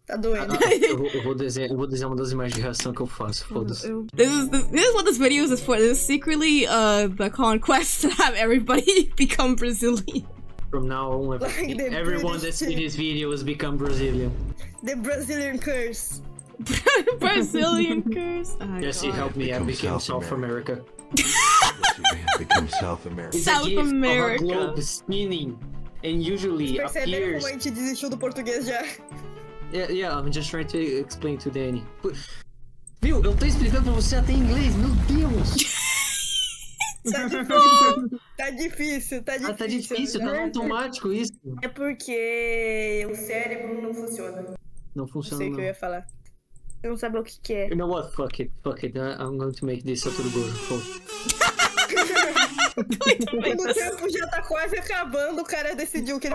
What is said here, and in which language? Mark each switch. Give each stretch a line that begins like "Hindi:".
Portuguese: Eu vou desenhar uma das imagens de reação que eu faço, foda-se.
English: This is what this video is for. This is secretly the conquest to have everybody become Brazilian. From now on, everyone that's seen this video has become Brazilian. The Brazilian curse. Brazilian curse. Oh, Jesse, help me. I became South America. Become South America. South America. A globe spinning, and usually appears.
Portuguese: Percebeu como a gente desistiu do português já?
English: Yeah, I'm just trying to explain to Danny.
Portuguese: Viu? Eu tô explicando pra você até em inglês. Meu Deus! Tá difícil. Ah, tá difícil. Né? Tá automático isso. É porque o cérebro não funciona. Não funciona. Não sei o que eu ia falar. Eu não sabia o que é.
English: You know what? Fuck it. I'm going to make this a tudo good.
Portuguese: O tempo já tá quase acabando, o cara decidiu que ele